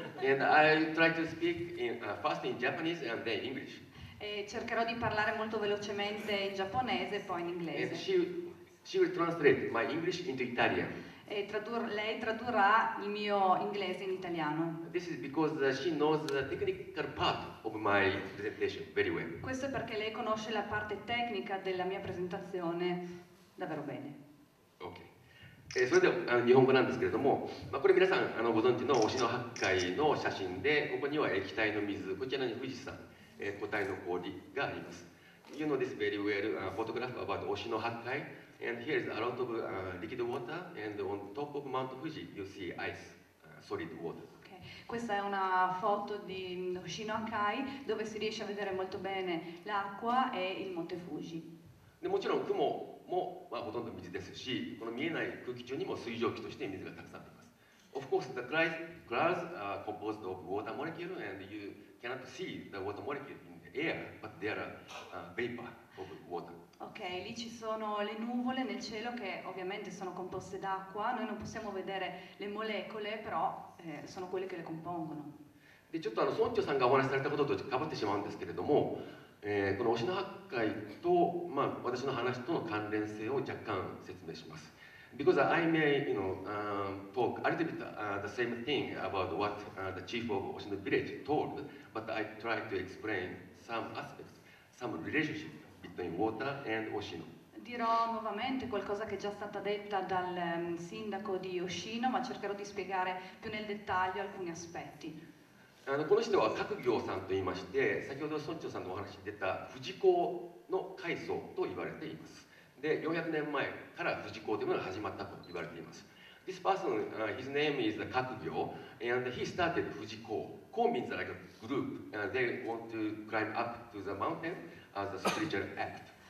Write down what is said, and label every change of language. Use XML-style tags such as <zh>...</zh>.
<en>And I try to speak first in Japanese and then English.</en> <it>E cercherò di parlare molto velocemente in giapponese e poi in inglese.</it> <en>And she will translate my English into Italian.</en> <it>E lei tradurrà il mio inglese in italiano.</it> <en>This is because she knows the technical part of my presentation very well.</en> <it>Questo è perché lei conosce la parte tecnica della mia presentazione.</it> <en>Okay.</en> <ja>それでは日本語なんですけれども、まあ、これ皆さんご存知の忍野八海の写真で、ここには液体の水、こちらに富士山、固体の氷があります。</ja> <en>You know this very well, photograph about 忍野八海, and here is a lot of liquid water, and on top of Mount Fuji, you see ice, solid water.</en> <it>Questa è una foto di Shin Hakai, dove si riesce a vedere molto bene l'acqua e il Monte Fuji.</it> <ja>でもちろん雲も、まあ、ほとんど水ですし、この見えない空気中にも水蒸気として水がたくさんあります。</ja> <en>Of course, the clouds are composed of water molecules, and you cannot see the water molecules in the air, but they are vapor of water.</en> <it>Ok, lì ci sono le nuvole nel cielo che ovviamente sono composte d'acqua. Noi non possiamo vedere le molecole, però sono quelle che le compongono.</it> <ja>で、ちょっと村長さんがお話しされたこととかぶってしまうんですけれども、この忍野八海と、まあ、私の話との関連性を若干説明します。</ja> <en>Because I may, you know, talk a little bit the same thing about what the chief of 忍野 village told, but I try to explain some aspects, some relationship between water and 忍野。</en> <it>Dirò nuovamente qualcosa che è già stata detta dal sindaco di 忍野, ma cercherò di spiegare più nel dettaglio alcuni aspetti.</it> <ja>この人は閣業さんといいまして、先ほど村長さんのお話に出た富士講の開祖と言われています。で400年前から富士講というものが始まったと言われています。</ja> <en>This person, his name is 閣業 and he started 富士講。講 means like a group and they want to climb up to the mountain as a spiritual act.</en>